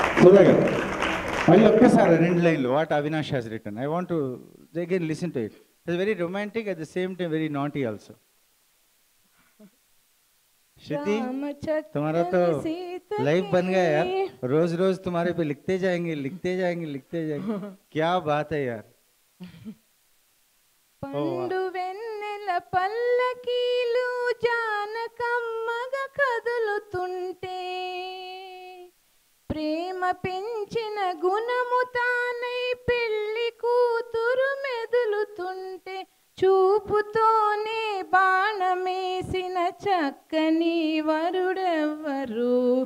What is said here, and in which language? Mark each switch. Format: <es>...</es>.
<en>What Avinash has written, I want to again listen to it. It's very romantic, at the same time very naughty also.</en> <hi>श्रुति तुम्हारा तो life बन गया यार, रोज रोज तुम्हारे पे लिखते जाएंगे लिखते जाएंगे लिखते जाएंगे, क्या बात है यार।</hi> <te>పండువెన్నెల పల్లకీలు జానకమ్మగ కదులుతుంటే ప్రేమ పెంచిన గుణము తానై పెళ్లి కూతురు మెదులుతుంటే చూపుతోనే బాణమేసిన చక్కని వరుడెవ్వరు</te>